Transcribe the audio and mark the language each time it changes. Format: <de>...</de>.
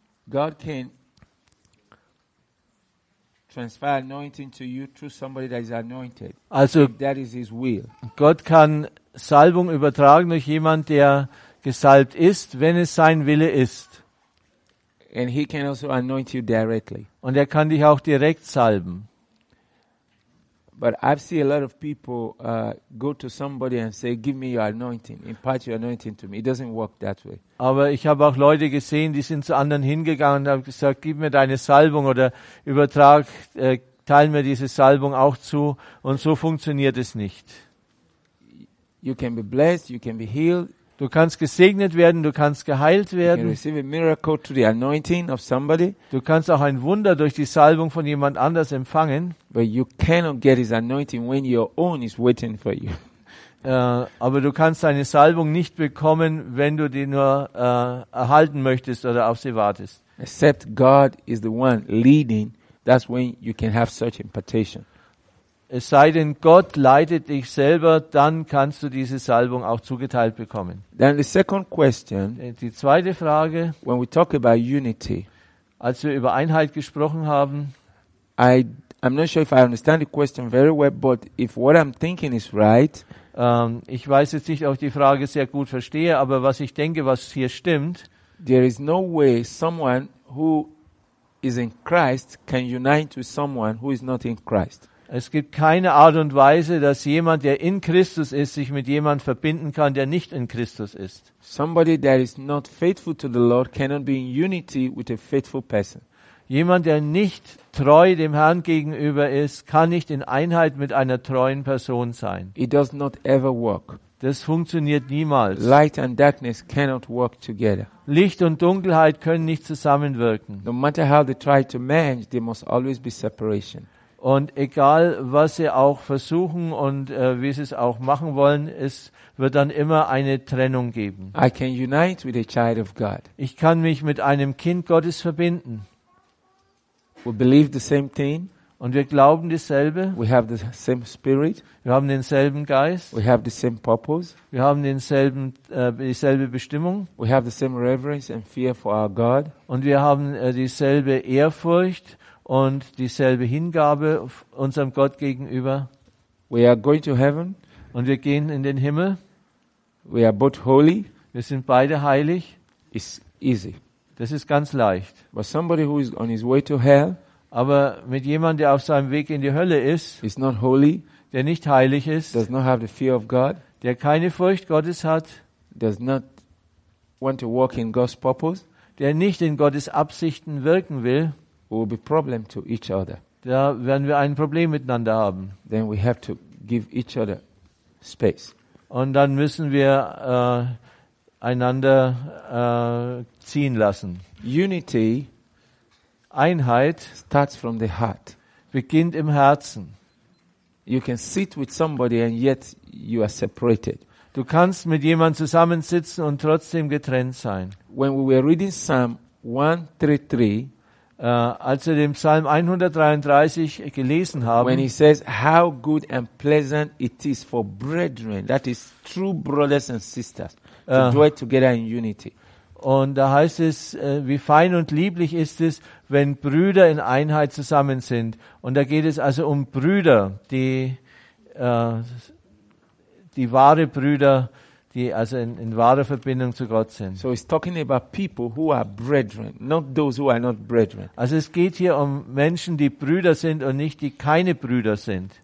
<en>God can transfer anointing to you through somebody that is anointed. Also, if that is his will.</en> <de>Gott kann Salbung übertragen durch jemand, der gesalbt ist, wenn es sein Wille ist.</de> <en>And he can also anoint you directly.</en> <de>Und er kann dich auch direkt salben.</de> <en>But I've seen a lot of people go to somebody and say, "Give me your anointing, impart your anointing to me." It doesn't work that way.</en> <de>Aber ich habe auch Leute gesehen, die sind zu anderen hingegangen und haben gesagt, "Gib mir deine Salbung oder übertrag, teil mir diese Salbung auch zu." Und so funktioniert es nicht.</de> <en>You can be blessed. You can be healed.</en> <de>Du kannst gesegnet werden, du kannst geheilt werden.</de> <en>You can receive a miracle through the anointing of somebody.</en> <de>Du kannst auch ein Wunder durch die Salbung von jemand anders empfangen.</de> <en>But you cannot get his anointing when your own is waiting for you.</en> <de>Aber du kannst deine Salbung nicht bekommen, wenn du die nur erhalten möchtest oder auf sie wartest.</de> <en>Except God is the one leading, that's when you can have such impartation.</en> <de>Es sei denn, Gott leitet dich selber, dann kannst du diese Salbung auch zugeteilt bekommen.</de> <en>Then the second question,</en> <de>die zweite Frage,</de> <en>when we talk about unity,</en> <de>als wir über Einheit gesprochen haben,</de> <en>I'm not sure if I understand the question very well, but if what I'm thinking is right,</en> <de>ich weiß jetzt nicht, ob ich die Frage sehr gut verstehe, aber was ich denke, was hier stimmt,</de> <en>there is no way someone who is in Christ can unite with someone who is not in Christ.</en> <de>Es gibt keine Art und Weise, dass jemand, der in Christus ist, sich mit jemand verbinden kann, der nicht in Christus ist.</de> <en>Somebody that is not faithful to the Lord cannot be in unity with a faithful person.</en> <de>Jemand, der nicht treu dem Herrn gegenüber ist, kann nicht in Einheit mit einer treuen Person sein.</de> <en>It does not ever work.</en> <de>Das funktioniert niemals.</de> <en>Light and darkness cannot work together.</en> <de>Licht und Dunkelheit können nicht zusammenwirken.</de> <en>No matter how they try to manage, there must always be separation.</en> <de>Und egal, was sie auch versuchen und wie sie es auch machen wollen, es wird dann immer eine Trennung geben.</de> <en>I can unite with a child of God.</en> <de>Ich kann mich mit einem Kind Gottes verbinden.</de> <en>We believe the same thing.</en> <de>Und wir glauben dasselbe.</de> <en>We have the same spirit.</en> <de>Wir haben denselben Geist.</de> <en>We have the same purpose.</en> <de>Wir haben denselben dieselbe Bestimmung.</de> <en>We have the same reverence and fear for our God.</en> <de>Und wir haben dieselbe Ehrfurcht und dieselbe Hingabe unserem Gott gegenüber.</de> <en>We are going to heaven.</en> <de>Und wir gehen in den Himmel.</de> <en>We are both holy.</en> <de>Wir sind beide heilig.</de> <en>It's easy.</en> <de>Das ist ganz leicht.</de> <en>But somebody who is on his way to hell,</en> <de>aber mit jemand, der auf seinem Weg in die Hölle ist,</de> <en>is not holy,</en> <de>der nicht heilig ist,</de> <en>does not have the fear of God,</en> <de>der keine Furcht Gottes hat,</de> <en>does not want to walk in God's purpose,</en> <de>der nicht in Gottes Absichten wirken will,</de> <en>will be problem to each other.</en> <de>Da werden wir ein Problem miteinander haben.</de> <en>Then we have to give each other space.</en> <de>Und dann müssen wir einander ziehen lassen.</de> <en>Unity,</en> <de>Einheit,</de> <en>starts from the heart.</en> <de>Beginnt im Herzen.</de> <en>You can sit with somebody and yet you are separated.</en> <de>Du kannst mit jemand zusammensitzen und trotzdem getrennt sein.</de> <en>When we were reading Psalm 133.</en> <de>Als wir den Psalm 133 gelesen haben,</de> <en>when he says how good and pleasant it is for brethren, that is true brothers and sisters, to dwell together in unity.</en> <de>Und da heißt es, wie fein und lieblich ist es, wenn Brüder in Einheit zusammen sind. Und da geht es also um Brüder, die wahre Brüder, die also in wahrer Verbindung zu Gott sind.</de> <en>So he's talking about people who are brethren, not those who are not brethren.</en> <de>Also es geht hier um Menschen, die Brüder sind und nicht die keine Brüder sind.</de>